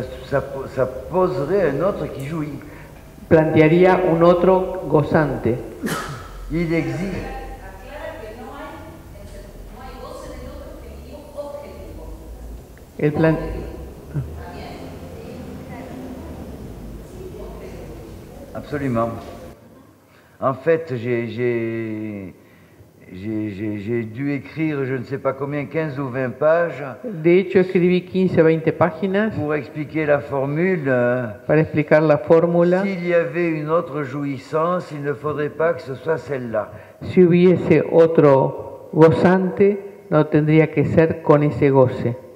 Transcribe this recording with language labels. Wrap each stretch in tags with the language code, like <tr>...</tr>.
<fr>Ça poserait un autre qui jouit.</fr> <es>Plantearía un otro gozante.</es> <fr>Il existe.</fr> <es>El plan.</es> <fr>Absolument. En fait, j'ai dû écrire je ne sais pas combien 15 ou 20 pages.</fr> <es>De hecho escribí 15 o 20 páginas.</es> <fr>Pour expliquer la formule.</fr> <es>Para explicar la fórmula.</es> <fr>S'il y avait une autre jouissance, il ne faudrait pas que ce soit celle-là.</fr> <es>Si hubiese otro gozante, no tendría que ser con ese goce.</es>